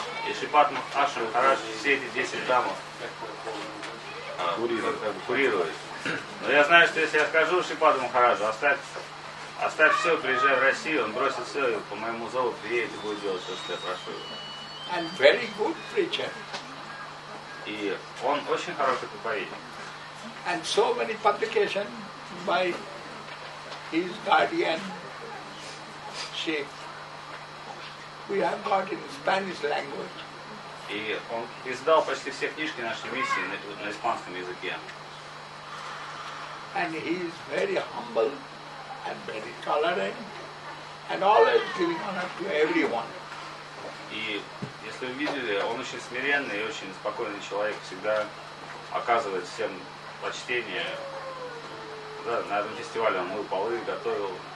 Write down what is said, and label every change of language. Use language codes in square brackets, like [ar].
[ru] И Шипад Ашрама Махарадж все эти 10 храмов курирует. Но я знаю, что если я скажу Шипаду Махараджу, оставь все, приезжай в Россию, он бросит все, и по моему зову приедет и будет делать все, что я прошу. [en] And very good preacher. [ru] И он очень хороший проповедник. [en] And so many publications by his guardianship we have got in Spanish language. [ru] И он издал почти все книжки нашей миссии на испанском языке. [en] And he is very humble and very tolerant and always giving honor to everyone. [ru] И если вы видели, он очень смиренный и очень спокойный человек, всегда оказывает всем почтение. Да, на этом фестивале он мыл полы, готовил,